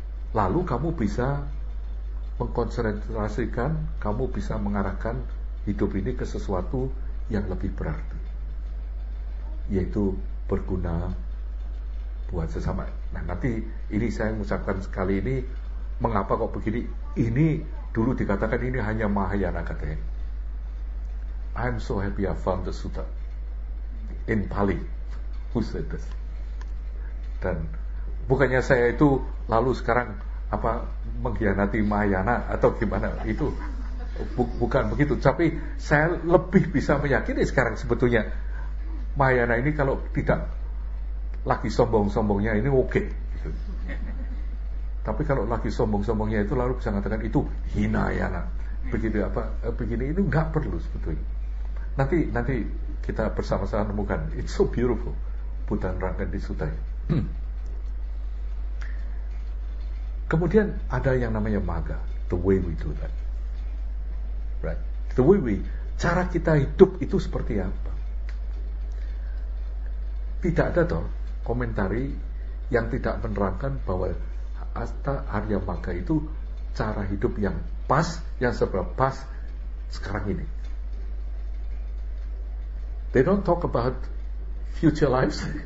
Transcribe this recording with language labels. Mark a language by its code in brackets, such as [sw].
[id] Lalu kamu bisa mengkonsentrasikan, kamu bisa mengarahkan hidup ini ke sesuatu yang lebih berarti, yaitu berguna buat sesama. Nah nanti ini saya mengucapkan sekali ini, mengapa kok begini? Ini dulu dikatakan ini hanya Mahayana katanya. [en] I'm so happy I found the sutta in Pali. Who said this? [id] Dan bukannya saya itu lalu sekarang apa mengkhianati Mahayana atau gimana itu? Bukan begitu. Tapi saya lebih bisa meyakini sekarang sebetulnya Mahayana ini kalau tidak lagi sombong-sombongnya ini oke. Tapi kalau lagi sombong-sombongnya itu lalu bisa mengatakan itu hinayana. Begitu apa? Begini itu enggak perlu sebetulnya. Nanti kita bersama-sama menemukan [en] it's so beautiful. [id] Buddha nerangkan di sutta. Kemudian ada yang namanya magga, [en] the way we do that. Right. The way we, [id] cara kita hidup itu seperti apa? Tidak ada toh komentari yang tidak menerangkan bahwa Asta Arya Magga itu cara hidup yang pas, yang seberapa pas sekarang ini. [en] They don't talk about future lives.